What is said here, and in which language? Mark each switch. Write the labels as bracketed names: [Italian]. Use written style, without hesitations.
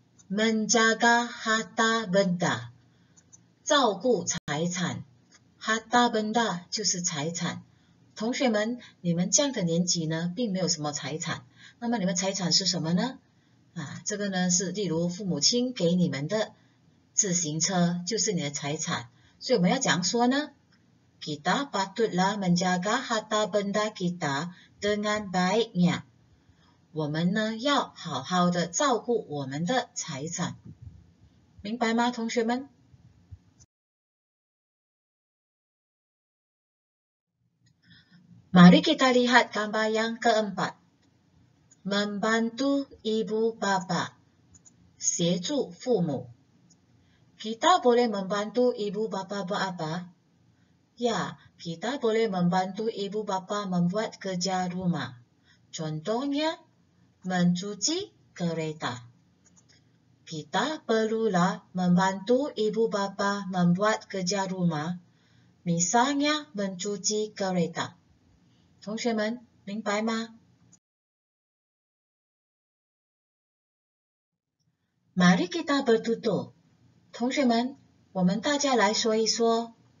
[Malay] Menjaga harta benda, [Chinese] 照顾财产。 [Malay] Harta benda [Chinese] 就是财产。同学们，你们这样的年纪呢，并没有什么财产。那么你们财产是什么呢？啊，这个呢是例如父母亲给你们的自行车，就是你的财产。所以我们要怎样说呢？ [Malay] Kita patutlah menjaga harta benda kita dengan baiknya。 [Chinese] 我们呢要好好的照顾我们的财产，明白吗，同学们？ [Malay] Mari kita lihat gambar yang keempat. Membantu ibu bapa, [Chinese] 协助父母。 [Malay] Kita boleh membantu ibu bapa buat apa? Ya, kita boleh membantu ibu bapa membuat kerja rumah. Contohnya,Mencuci kereta. Kita perlulah membantu ibu bapa membuat kerja rumah, misalnya mencuci kereta. [Chinese] 同学们，明白吗？ [Malay] Mari kita bertutur. [Chinese] 同学们，我们大家来说一说。